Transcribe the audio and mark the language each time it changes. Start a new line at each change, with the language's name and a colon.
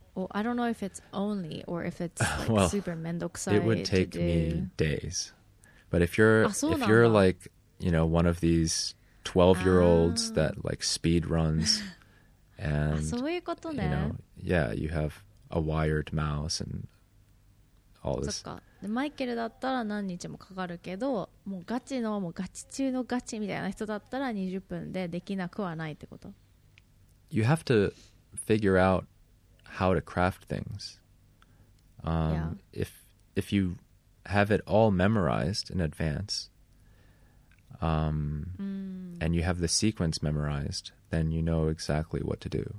English: Well, I don't know if it's only or if it's like, well, super
Japanese: mendokusai.
English: It would take to do... me days. But if you're like, you know, one of these 12-year-olds that like speed runs and
Japanese: そういうことね。
English: You know, yeah, you have a wired mouse and all this.
Japanese: そっか。で、マイケルだったら何日もかかるけど、もうガチの、もうガチ中のガチみたいな人だったら20分でできなくはないってこと。
English: You have to figure out how to craft things. Yeah. If you have it all memorized in advance, and you have the sequence memorized, then you know exactly what to do.